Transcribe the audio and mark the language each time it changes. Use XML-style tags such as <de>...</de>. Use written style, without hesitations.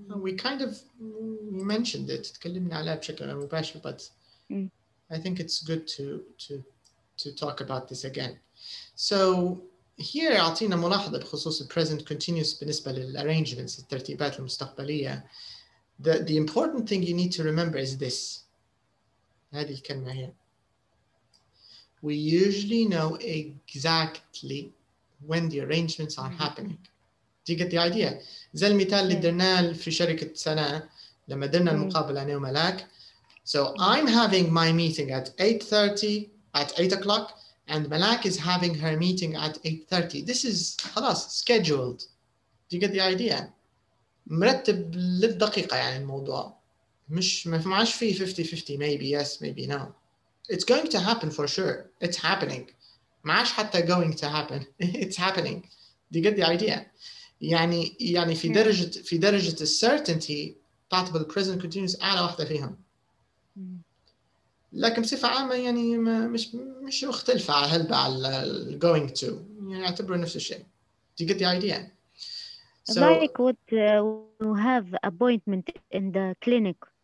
<en>We kind of mentioned it, but I think it's good to talk about this again. So here</en> <ar>أعطينا ملاحظة بخصوص the present continuous بالنسبة للarrangements الترتيبات المستقبلية.</ar> <en>The important thing you need to remember is this.</en> <ar>هذه الكلمة هي.</ar> <en>We usually know exactly when the arrangements are happening. Do you get the idea?</en> <ar>زي المثال اللي درناه في شركة سنة لما درنا المقابلة أنا وملاك.</ar> <en>So I'm having my meeting at 8:30, at 8 o'clock, and Malak is having her meeting at 8:30. This is خلاص, scheduled. Do you get the idea?</en> <ar>مرتب للدقيقة يعني الموضوع. مش معاش فيه</ar> <en>50-50, maybe yes, maybe no. It's going to happen for sure. It's happening.</en> <ar>معاش حتى</ar> <en>going to happen. It's happening. Do you get the idea?</en> <ar>يعني في درجة certainty تعتبر present continuous أعلى واحدة فيهم. لكن بصفة عامة يعني مش مختلفة على هلبة على going to. يعني اعتبره نفس الشيء.</ar> <en>Do you get the idea? So, like what you have appointment in the clinic.</en>